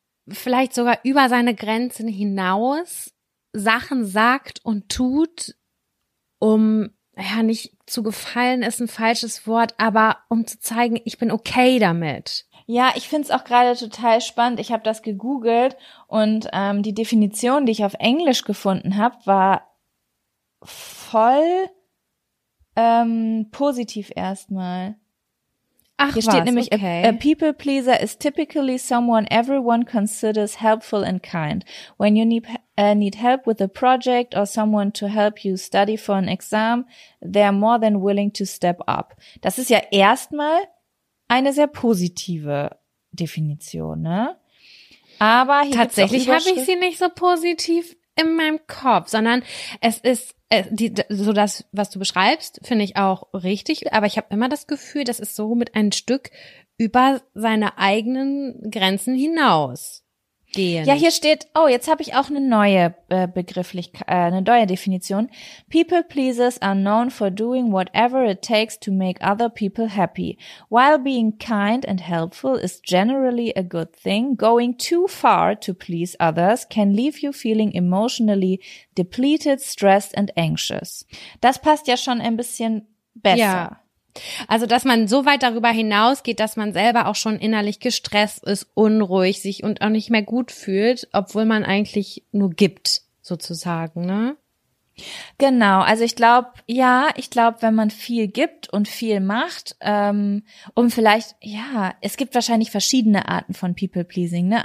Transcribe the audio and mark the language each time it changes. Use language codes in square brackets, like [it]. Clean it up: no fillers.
[de] vielleicht sogar über seine Grenzen hinaus Sachen sagt und tut, um, ja, nicht zu gefallen ist ein falsches Wort, aber um zu zeigen, ich bin okay damit. Ja, ich finde es auch gerade total spannend. Ich habe das gegoogelt und die Definition, die ich auf Englisch gefunden habe, war voll positiv erstmal. Ach, hier steht was? Nämlich, okay. [en] A people pleaser is typically someone everyone considers helpful and kind. When you need help with a project or someone to help you study for an exam, they're more than willing to step up. [de] Das ist ja erstmal eine sehr positive Definition, ne? Aber hier tatsächlich habe ich sie nicht so positiv in meinem Kopf, sondern es ist so, das, was du beschreibst, finde ich auch richtig. Aber ich habe immer das Gefühl, das ist so mit ein Stück über seine eigenen Grenzen hinaus gehen. Ja, hier steht, oh, jetzt habe ich auch eine neue Begrifflichkeit, eine neue Definition. [en] People pleasers are known for doing whatever it takes to make other people happy. While being kind and helpful is generally a good thing, going too far to please others can leave you feeling emotionally depleted, stressed and anxious. [de] Das passt ja schon ein bisschen besser. Ja. Also, dass man so weit darüber hinausgeht, dass man selber auch schon innerlich gestresst ist, unruhig sich und auch nicht mehr gut fühlt, obwohl man eigentlich nur gibt, sozusagen, ne? Genau, also ich glaube, ja, ich glaube, wenn man viel gibt und viel macht, um vielleicht, ja, es gibt wahrscheinlich verschiedene Arten von People-Pleasing, ne?